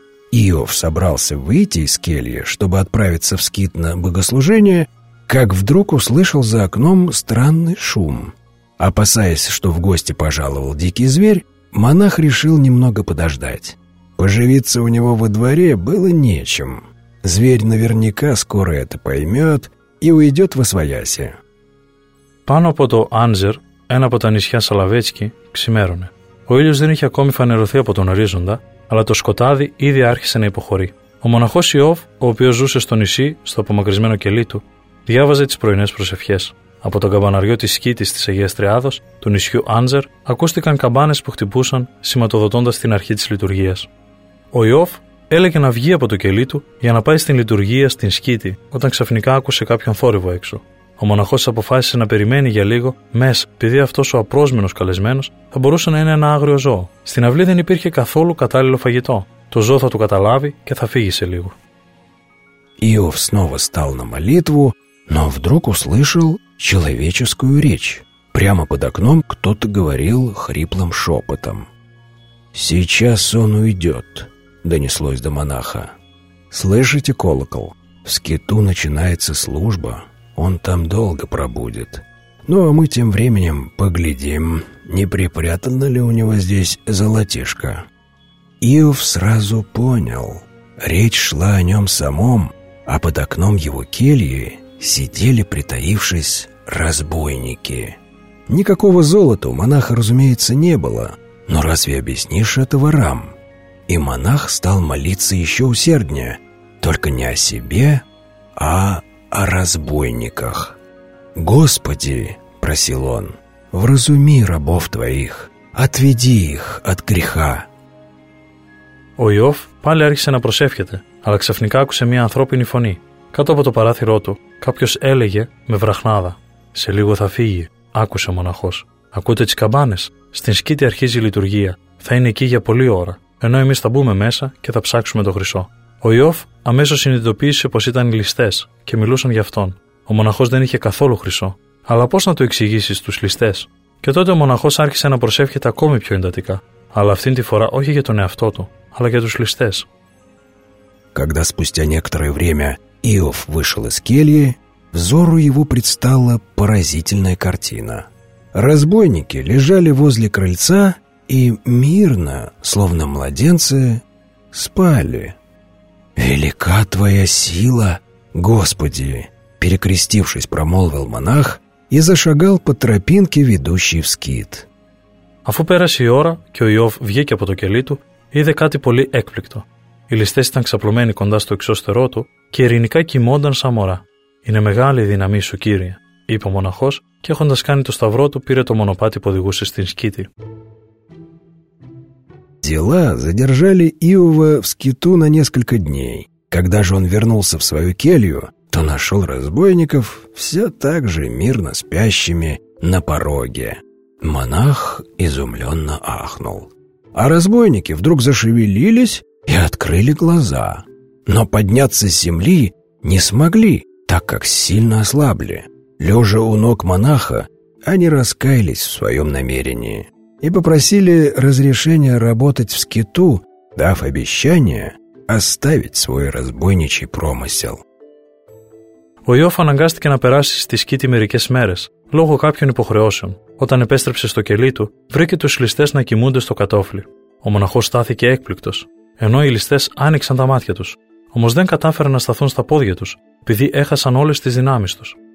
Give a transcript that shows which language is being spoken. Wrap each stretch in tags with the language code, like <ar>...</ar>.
<ru>Иов собрался выйти из кельи, чтобы отправиться в скит на богослужение, как вдруг услышал за окном странный шум. Опасаясь, что в гости пожаловал дикий зверь, монах решил немного подождать. Поживиться у него во дворе было нечем. Зверь наверняка скоро это поймет и уйдет во свояси.</ru> <el>Πάνω από το Άντζερ, ένα από τα νησιά Σαλαβέτσκι, ξημέρωνε. Ο ήλιος δεν είχε ακόμη φανερωθεί από τον ορίζοντα, αλλά το σκοτάδι ήδη άρχισε να υποχωρεί. Ο μοναχός Ιώβ, ο οποίος ζούσε στο νησί, στο απομακρυσμένο κελί του, διάβαζε τις πρωινές προσευχές. Από τον καμπαναριό της σκήτης της Αγίας Τριάδος, του νησιού Άντζερ, ακούστηκαν καμπάνες που χτυπούσαν, σηματοδοτώντας την αρχή της λειτουργίας. Ο Ιώβ έλεγε να βγει από το κελί του για να πάει στην λειτουργία στην σκήτη, όταν ξαφνικά άκουσε κάποιον θόρυβο έξω. Ο μοναχός αποφάσισε να περιμένει για λίγο, μες, επειδή αυτός ο απρόσμενος καλεσμένος θα μπορούσε να είναι ένα άγριο ζώο. Στην αυλή δεν υπήρχε καθόλου κατάλληλο φαγητό. Το ζώο θα του καταλάβει και θα φύγει σε λίγο.</el> <ru>Иов снова стал на молитву, но вдруг услышал человеческую речь. Прямо под окном кто-то говорил хриплым шепотом. «Сейчас он уйдет», — донеслось до монаха. «Слышите колокол? В скиту начинается служба. Он там долго пробудет. Ну, а мы тем временем поглядим, не припрятано ли у него здесь золотишко». Иов сразу понял. речь шла о нем самом, а под окном его кельи сидели, притаившись, разбойники. Никакого золота у монаха, разумеется, не было, но разве объяснишь это ворам? И монах стал молиться еще усерднее, только не о себе, а о разбойниках. «Господи, — просил он, — вразуми рабов твоих, отведи их от греха».</ru> <el>Ο Ιώφ πάλι άρχισε να προσεύχεται, αλλά ξαφνικά άκουσε μια ανθρώπινη φωνή. Κάτω από το παράθυρό του, κάποιος έλεγε με βραχνάδα. «Σε λίγο θα φύγει», άκουσε ο μοναχός. «Ακούτε τις καμπάνες. Στην σκήτη αρχίζει η λειτουργία. Θα είναι εκεί για πολλή ώρα, ενώ εμείς θα μπούμε μέσα και θα ψάξουμε το χρυσό». Ο Ιώφ αμέσως συνειδητοποίησε πως ήταν οι ληστές και μιλούσαν για αυτόν. Ο μοναχός δεν είχε καθόλου χρυσό. Αλλά πώς να το εξηγήσει στους ληστές? Και τότε ο μοναχός άρχισε να προσεύχεται ακόμη πιο εντατικά, αλλά αυτήν τη φορά όχι για τον εαυτό του, αλλά για τους ληστές.</el> <ru>Когда спустя некоторое время Иов вышел из кельи, взору его предстала поразительная картина. Разбойники лежали возле крыльца и мирно, словно младенцы, спали. «Велика твоя сила, Господи!» — перекрестившись, промолвил монах и зашагал по тропинке, ведущей в скит.</ru> <el>Αφού πέρασε η ώρα και ο Ιώβ βγήκε από το κελί του, είδε κάτι πολύ έκπληκτο. Οι ληστές ήταν ξαπλωμένοι κοντά στο εξώστερό του και ειρηνικά κοιμόνταν σαν μωρά. «Είναι μεγάλη η δύναμή σου, Κύριε», είπε ο μοναχός και έχοντας κάνει το σταυρό του, πήρε το μονοπάτι που οδηγούσε στην σκήτη.</el> <ru>Дела задержали Иова в скиту на несколько дней. Когда же он вернулся в свою келью, то нашел разбойников все так же мирно спящими на пороге. Монах изумленно ахнул. А разбойники вдруг зашевелились и открыли глаза. Но подняться с земли не смогли, так как сильно ослабли. Лежа у ног монаха, они раскаялись в своем намерении и попросили разрешения работать в скиту, дав обещание оставить свой разбойничий промысел.</ru> <el>Ο Ιώφ αναγκάστηκε να περάσει στη σκήτη μερικές μέρες, λόγω κάποιων υποχρεώσεων. Όταν επέστρεψε στο κελί του, βρήκε τους ληστές να κοιμούνται στο κατώφλι. Ο μοναχός στάθηκε έκπληκτος, ενώ οι ληστές άνοιξαν τα μάτια τους. Όμως δεν κατάφεραν να σταθούν στα πόδια τους, επειδή έχασαν όλες τις δυνάμεις τους.</el>